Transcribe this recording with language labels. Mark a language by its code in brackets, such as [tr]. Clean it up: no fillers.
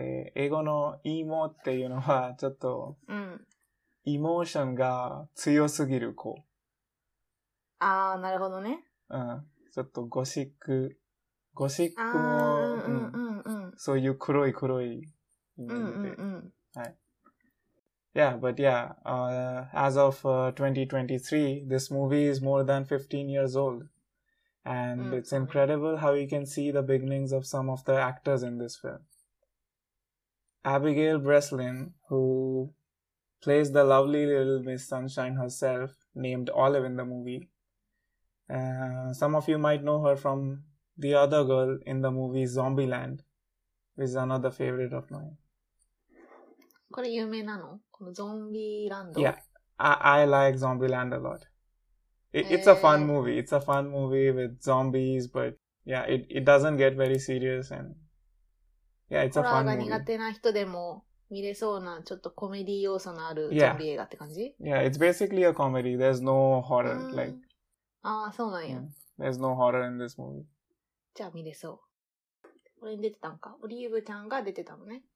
[ja] で、英語のイモっていうのは、ちょっと、イモーションが強すぎる子。あー、なるほどね。ちょっとゴシックも、そういう黒い意味で。はい。 [en] Yeah, but as of 2023, this movie is more than 15 years old. And it's incredible how you can see the beginnings of some of the actors in this film. Abigail Breslin, who plays the lovely little Miss Sunshine herself, named Olive in the movie. Some of you might know her from the other girl in the movie Zombieland, which is another favorite of mine. [ja] これ有名なの?このゾンビランド? [en] Yeah, I like Zombieland a lot. It's a fun movie. It's a fun movie with zombies, but yeah, it doesn't get very serious andYeah, it's a fun movie. [ja] ホラーが苦手な人でも見れそうなちょっとコメディ要素のあるゾンビ映画って感じ? [en] Yeah, it's basically a comedy. There's no horror. Like, [ja] ああ、そうなんや。 [en] There's no horror in this movie. [ja] じゃあ見れそう。これに出てたんか。オリーブちゃんが出てたのね。